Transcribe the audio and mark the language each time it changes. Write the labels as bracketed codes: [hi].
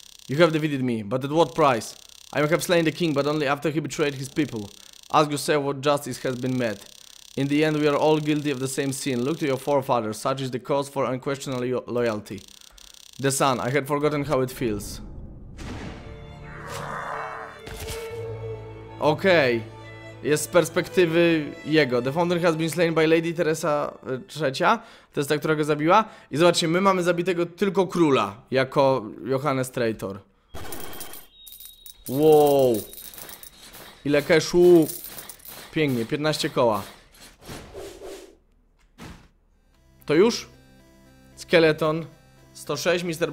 [en] You have defeated me, but at what price? I have slain the king, but only after he betrayed his people. Ask yourself what justice has been met. In the end, we are all guilty of the same sin. Look to your forefathers, such is the cause for unquestionable loyalty. The sun, I had forgotten how it feels. [pl] Okej. Okay. Jest z perspektywy jego. [en] The founder has been slain by Lady Teresa III. [pl] To jest ta, która go zabiła. I zobaczcie, my mamy zabitego tylko króla. Jako Johannes Traitor. Wow. Ile cashu. Pięknie, 15 koła. To już? Skeleton 106, Mr.